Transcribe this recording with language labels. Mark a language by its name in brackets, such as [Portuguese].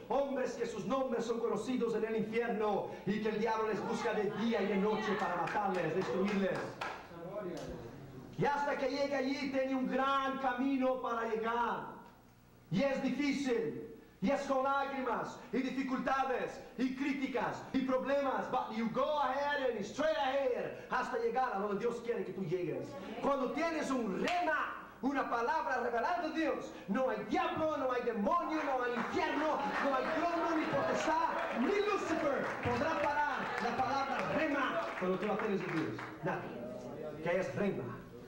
[Spanish] Hombres que sus nombres son conocidos en el infierno y que el diablo les busca de día y de noche para matarles, destruirles. Y hasta que llegue allí, tiene un gran camino para llegar. Y es difícil. Y es con lágrimas, y dificultades, y críticas, y problemas. [English] But you go ahead and straight ahead. [Spanish] Hasta llegar a donde Dios quiere que tú llegues. Cuando tienes un rema, una palabra revelada de Dios, no hay diablo, no hay demonio, no hay infierno, no hay trono, ni potestad, ni Lucifer podrá parar la palabra rema cuando tú la tienes de Dios. Nada. ¿Qué es rema?